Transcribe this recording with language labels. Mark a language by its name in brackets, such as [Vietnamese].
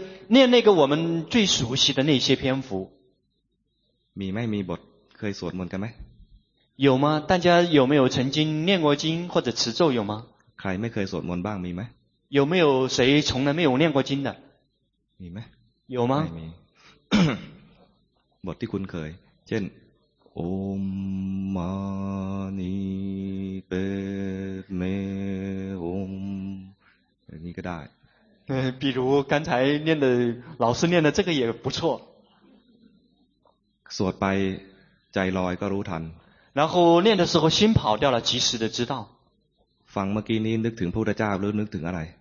[Chinese] 念那个我们最熟悉的那些篇幅 [Thai] มีไม่มีบทเคยสวดมนต์กันไหม [Chinese] 有吗大家有没有曾经念过经或者持咒有吗 [Thai] ใครไม่เคยสวดมนต์บ้างมีไหม [Chinese] 有没有谁从来没有念过经的 [Thai] มีไหม [Chinese] 有吗 [Thai] ไม่มี บทที่คุณเคยเช่นโอมมานิเปเมโอมอันนี้ก็ได้ [Chinese] 比如刚才念的老师念的这个也不错 [Thai] สวดไปใจลอยก็รู้ทัน [Chinese] 然后念的时候心跑掉了及时的知道 [Thai] ฟังเมื่อกี้นี้นึกถึงพระพุทธเจ้าหรือนึกถึงอะไร